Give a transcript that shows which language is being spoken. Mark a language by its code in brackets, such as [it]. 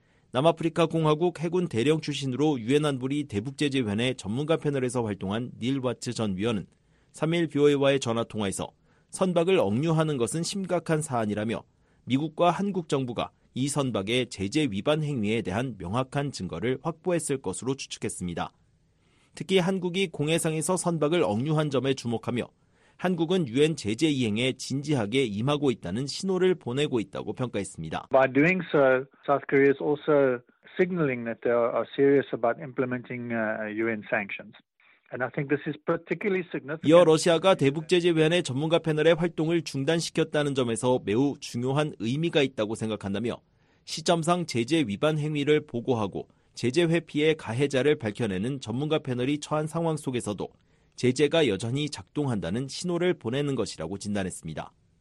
[ko] 남아프리카 공화국 해군 대령 출신으로 유엔 안보리 대북 제재 위원회 전문가 패널에서 활동한 닐 와츠 전 위원은 3일 BOA와의 전화 통화에서 선박을 억류하는 것은 심각한 사안이라며 미국과 한국 정부가 이 선박의 제재 위반 행위에 대한 명확한 증거를 확보했을 것으로 추측했습니다. 특히 한국이 공해상에서 선박을 억류한 점에 주목하며 한국은 유엔 제재 이행에 진지하게 임하고 있다는 신호를 보내고 있다고 평가했습니다. [en] By doing so, South Korea is also signaling that they are serious about implementing UN sanctions. And I think this is particularly significant. [ko] 이어 러시아가 대북 제재 위원회 전문가 패널의 활동을 중단시켰다는 점에서 매우 중요한 의미가 있다고 생각한다며 시점상 제재 위반 행위를 보고하고 제재 회피의 가해자를 밝혀내는 전문가 패널이 처한 상황 속에서도 제재가 여전히 작동한다는 신호를 보내는 것이라고 진단했습니다.